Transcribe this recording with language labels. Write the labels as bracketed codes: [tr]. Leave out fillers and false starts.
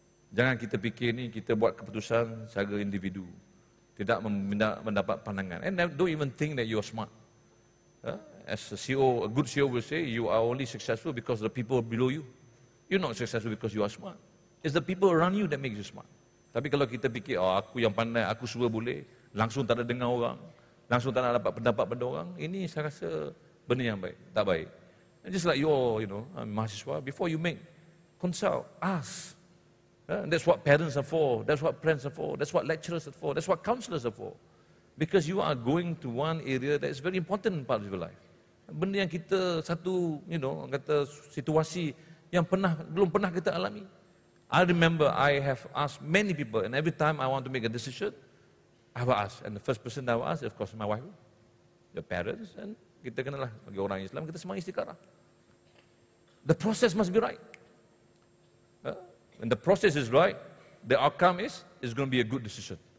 [ms] Jangan kita fikir ni, kita buat keputusan secara individu. Tidak mendapat pandangan. [en] And don't even think that you are smart. As a CEO, a good CEO will say, you are only successful because the people below you. You're not successful because you are smart. It's the people around you that makes you smart. [ms] Tapi kalau kita fikir, oh, aku yang pandai, aku semua boleh, langsung tak ada dengar orang, langsung tak nak dapat pendapat pada orang, ini saya rasa benda yang baik, tak baik. [en] And just like mahasiswa, before you make, consult, ask. That's what parents are for, that's what friends are for, that's what lecturers are for, that's what counselors are for. Because you are going to one area that is very important part of your life. [ms] Benda yang kita satu, kata situasi, yang pernah belum pernah kita alami. [en] I remember I have asked many people, and every time I want to make a decision, I will ask. And the first person that I will ask, of course, my wife, your parents, and [ms] kita kenalah bagi orang Islam, kita semua istikharah. [en] The process must be right. When the process is right, the outcome is going to be a good decision.